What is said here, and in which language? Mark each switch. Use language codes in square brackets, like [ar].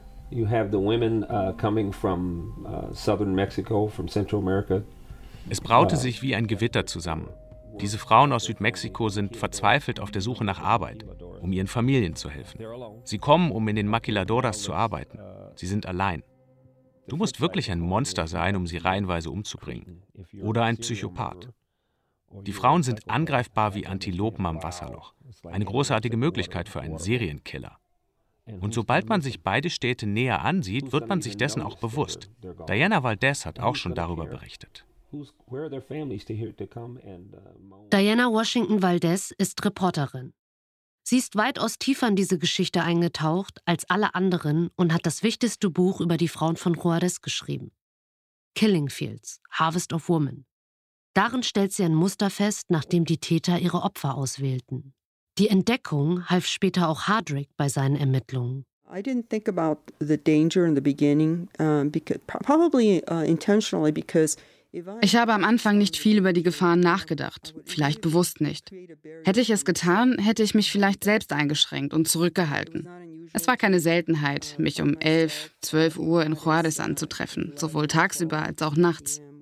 [en] You have the women coming from southern Mexico, from Central America. [de] Es braute sich wie ein Gewitter zusammen. Diese Frauen aus Südmexiko sind verzweifelt auf der Suche nach Arbeit, um ihren Familien zu helfen. Sie kommen, um in den Maquiladoras zu arbeiten. Sie sind allein. Du musst wirklich ein Monster sein, um sie reihenweise umzubringen. Oder ein Psychopath. Die Frauen sind angreifbar wie Antilopen am Wasserloch. Eine großartige Möglichkeit für einen Serienkiller. Und sobald man sich beide Städte näher ansieht, wird man sich dessen auch bewusst. Diana Valdez hat auch schon darüber berichtet. Diana Washington Valdez ist Reporterin. Sie ist weitaus tiefer in diese Geschichte eingetaucht als alle anderen und hat das wichtigste Buch über die Frauen von Juarez geschrieben. Killing Fields, Harvest of Women. Darin stellt sie ein Muster fest, nachdem die Täter ihre Opfer auswählten. Die Entdeckung half später auch Hardrick bei seinen Ermittlungen. [en] I didn't think about the danger in the beginning, probably intentionally because [de] ich habe am Anfang nicht viel über die Gefahren nachgedacht, vielleicht bewusst nicht. Hätte ich es getan, hätte ich mich vielleicht selbst eingeschränkt und zurückgehalten. Es war keine Seltenheit, mich um 11, 12 Uhr in Juarez anzutreffen, sowohl tagsüber als auch nachts.